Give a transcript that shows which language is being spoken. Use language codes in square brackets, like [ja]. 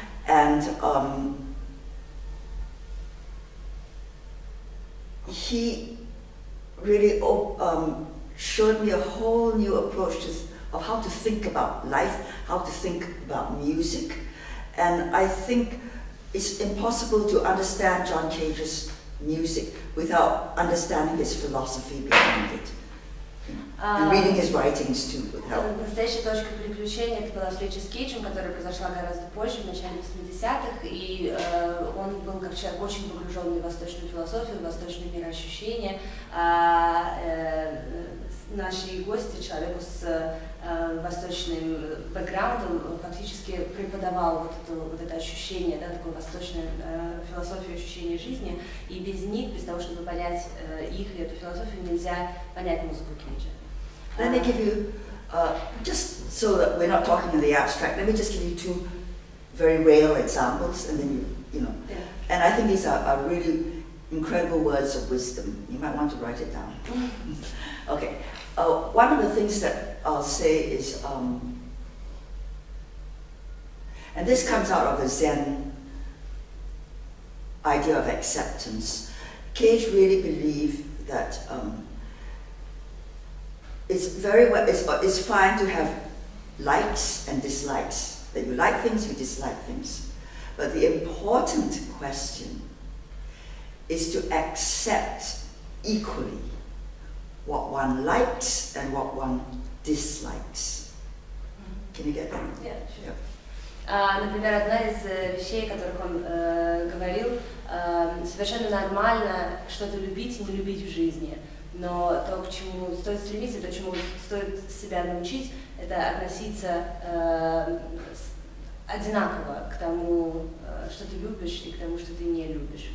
[en] And he really showed me a whole new approach of how to think about life, how to think about music. And I think it's impossible to understand John Cage's music without understanding his philosophy behind it. And reading his writings too would help. [ru] Настоящая точка переключения это была встреча с Кейджем, которая произошла гораздо позже, в начале 80-х, и он был как человек очень погруженный в восточную философию, в восточные мироощущения. Наши гости, человеку с восточным бэкграундом, фактически преподавал вот это ощущение, да, такую восточную философию ощущения жизни, и без них, без того, чтобы понять их и эту философию, нельзя понять музыку Кейджа. [en] Let me give you, just so that we're not talking in the abstract, let me just give you two very real examples, and then you know. Yeah. And I think these are really incredible words of wisdom. You might want to write it down. Okay. One of the things that I'll say is, and this comes out of the Zen idea of acceptance. Cage really believed that it's fine to have likes and dislikes, that you like things, you dislike things. But the important question is to accept equally what one likes and what one dislikes. Can you get that? Yeah, sure. Yeah. [ru] Например, одна из вещей, о которых он говорил, совершенно нормально что-то любить и не любить в жизни. Но то, к чему стоит стремиться, то, чему стоит себя научить, это относиться одинаково к тому, что ты любишь и к тому, что ты не любишь.